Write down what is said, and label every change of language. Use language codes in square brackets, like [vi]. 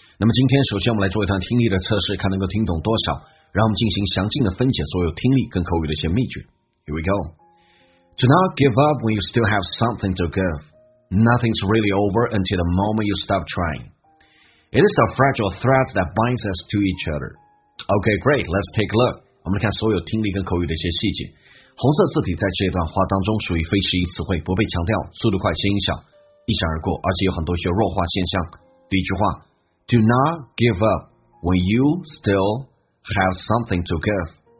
[zh] 那么今天首先我们来做一段听力的测试，看能够听懂多少，然后我们进行详尽的分解所有听力跟口语的一些秘诀。 [en] Here we go. Do not give up when you still have something to give. Nothing's really over until the moment you stop trying. It is the fragile thread that binds us to each other. Okay, great. Let's take a look. [zh] 我们来看所有听力跟口语的一些细节。红色字体在这段话当中属于非时义词汇，不被强调，速度快，声音小，一闪而过，而且有很多一些弱化现象。第一句话 ， [en] Do not give up when you still have something to give。